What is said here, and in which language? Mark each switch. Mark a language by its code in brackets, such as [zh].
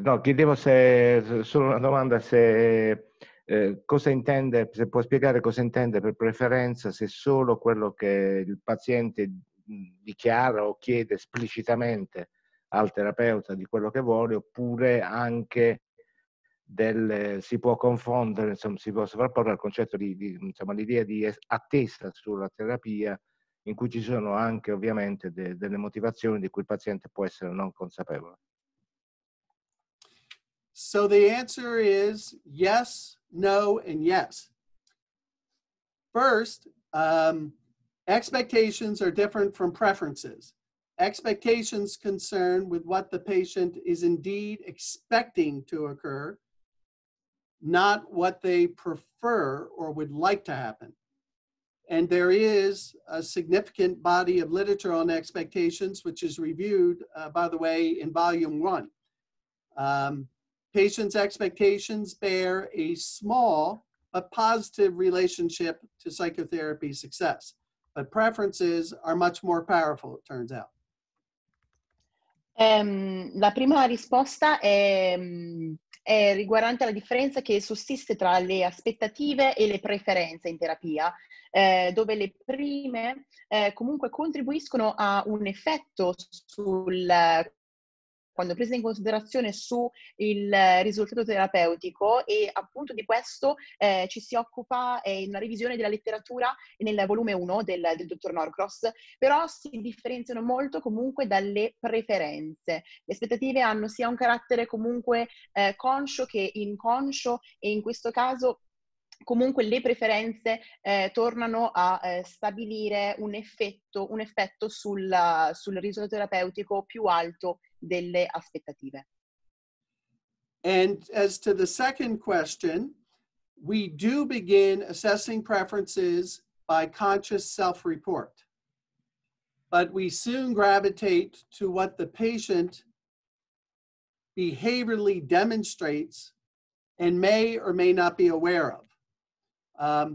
[it] No, chiedevo se solo una domanda, se cosa intende, se può spiegare cosa intende per preferenza, se solo quello che il paziente dichiara o chiede esplicitamente al terapeuta di quello che vuole, oppure anche si può confondere, insomma, si può sovrapporre al concetto insomma, l'idea di attesa sulla terapia, in cui ci sono anche ovviamente delle motivazioni di cui il paziente può essere non consapevole. [en] So the answer is yes, no, and yes. First, Expectations are different from preferences. Expectations concern with what the patient is indeed expecting to occur, not what they prefer or would like to happen. And there is a significant body of literature on expectations, which is reviewed, by the way, in volume one. Patients' expectations bear a small but positive relationship to psychotherapy success, but preferences are much more powerful, it turns out. [it] La prima risposta è riguardante la differenza che sussiste tra le aspettative e le preferenze in terapia, dove le prime comunque contribuiscono a un effetto sul quando prese in considerazione su il risultato terapeutico, e appunto di questo ci si occupa in una revisione della letteratura nel volume 1 del dottor Norcross, però si differenziano molto comunque dalle preferenze. Le aspettative hanno sia un carattere comunque conscio che inconscio, e in questo caso comunque le preferenze tornano a stabilire un effetto sul risultato terapeutico più alto delle aspettative. [en] And as to the second question, we do begin assessing preferences by conscious self-report, but we soon gravitate to what the patient behaviorally demonstrates and may or may not be aware of.